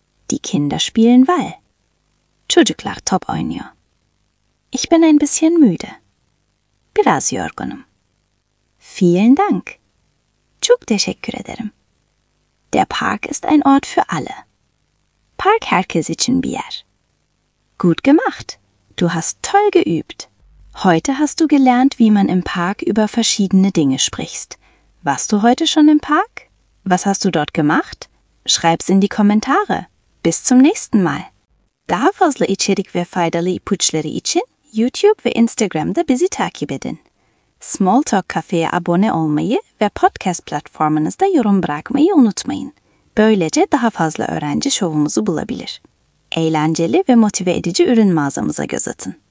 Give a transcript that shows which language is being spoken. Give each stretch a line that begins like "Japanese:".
German: Die Kinder spielen Ball.
Turkish: Çocuklar top oynuyor.
German: Ich bin ein bisschen müde.
Turkish: Biraz yorgunum.
German: Vielen Dank.
Turkish: Çok teşekkür ederim.
German: Der Park ist ein Ort für alle.
Turkish: Park herkes için bir yer.
German: Gut gemacht. Du hast toll geübt. Heute hast du gelernt, wie man im Park über verschiedene Dinge spricht. Warst du heute schon im Park? Was hast du dort gemacht? Schreib's in die Kommentare. Bis zum nächsten Mal.
Turkish: Davosle içerik ve faydalı ipuçları için YouTube ve Instagram'da bizi takip edin. Small Talk Cafe'ye abone olmayı ve podcast platformunuzda yorum bırakmayı unutmayın. Böylece daha fazla öğrenci şovumuzu bulabilir. Eğlenceli ve motive edici ürün mağazamıza göz atın.